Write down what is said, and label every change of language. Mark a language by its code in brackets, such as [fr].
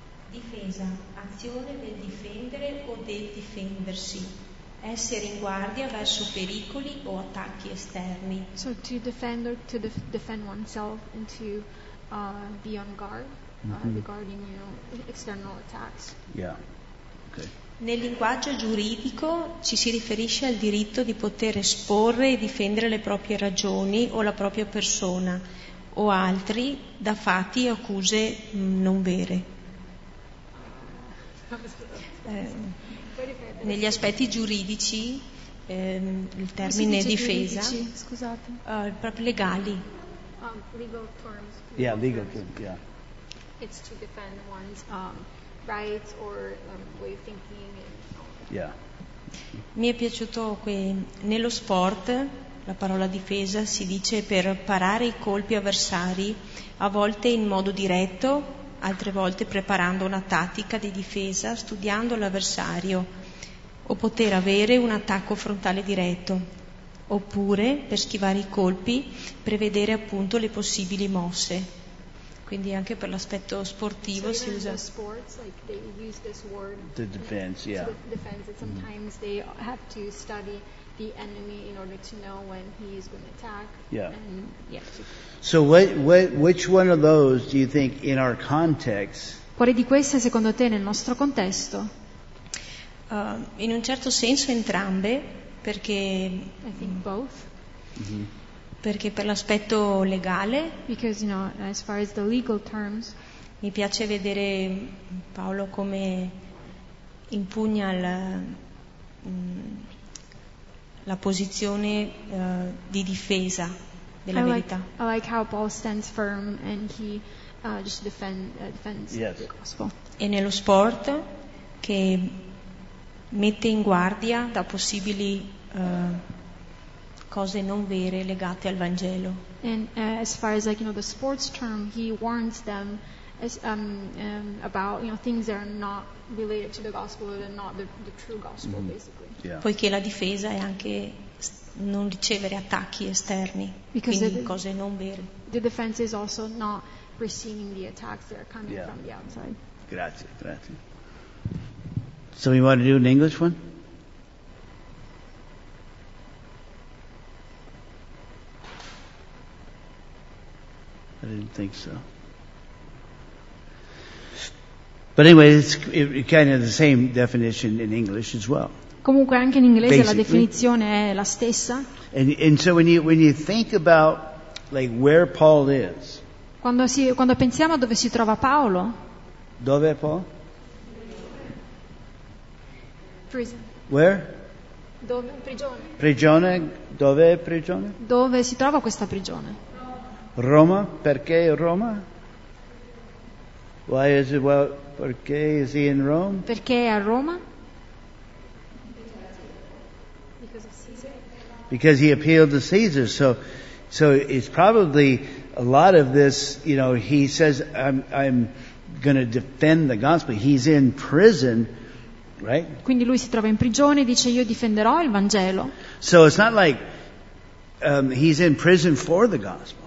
[it] Difesa, azione del difendere o del difendersi, essere in guardia verso pericoli o attacchi esterni. [en] So to defend or to defend oneself and to be on guard regarding, you know, external attacks. Yeah. Okay. [it] Nel linguaggio giuridico ci si riferisce al diritto di poter esporre e difendere le proprie ragioni o la propria persona o altri da fatti e accuse non vere. Negli aspetti giuridici il termine difesa, scusate, proprio legali, [en] legal terms, yeah, legal terms, yeah, it's to defend one's rights or way of thinking, yeah. [it] Mi è piaciuto che nello sport la parola difesa si dice per parare i colpi avversari, a volte in modo diretto, altre volte preparando una tattica di difesa, studiando l'avversario, o poter avere un attacco frontale diretto, oppure, per schivare i colpi, prevedere appunto le possibili mosse. Quindi anche per l'aspetto sportivo [en] so [it] si usa... [en] Sports, like they use this word, the defense, yeah. So the defense, and sometimes they have to study the enemy in order to know when he is going to attack. Yeah. And, yeah. So what, which one of those do you think in our context... [it] Quale di queste secondo te nel nostro contesto? In un certo senso entrambe, perché... [en] I think both. Mm-hmm. [it] Perché per l'aspetto legale, [en] because, you know, as far as the legal terms, [it] mi piace vedere Paolo come impugna la posizione di difesa della verità. [en] I like how Paul stands firm and he just defends yes. The gospel. [it] E nello sport che mette in guardia da possibili cose non vere legate al Vangelo. [en] And as far as, like, you know, the sports term, he warns them as, about, you know, things that are not related to the gospel and not the true gospel, mm-hmm. basically. Yeah. [it] Poiché la difesa è anche non ricevere attacchi esterni, [en] because [it] quindi cose non vere. [en] The defense is also not receiving the attacks that are coming yeah. from the outside. [it] Grazie, grazie. [en] So you want to do an English one? I didn't think so. But anyway, it's kind of the same definition in English as well. [it] Comunque anche in inglese la definizione è la stessa. [en] And so when you think about, like, where Paul is. [it] Quando pensiamo a dove si trova Paolo? Dove è Paul? [en] Prison. Where? [it] Dove? Prigione. Prigione? Dove è prigione? Dove si trova questa prigione? Roma. Perché Roma? [en] Why is it, well, [it] perché [en] is he in Rome? [it] Perché è a Roma? [en] Because he appealed to Caesar. So it's probably a lot of this, you know, he says, I'm going to defend the gospel. He's in prison, right? Quindi lui si trova in prigione e dice, io difenderò il Vangelo. So it's not like he's in prison for the gospel.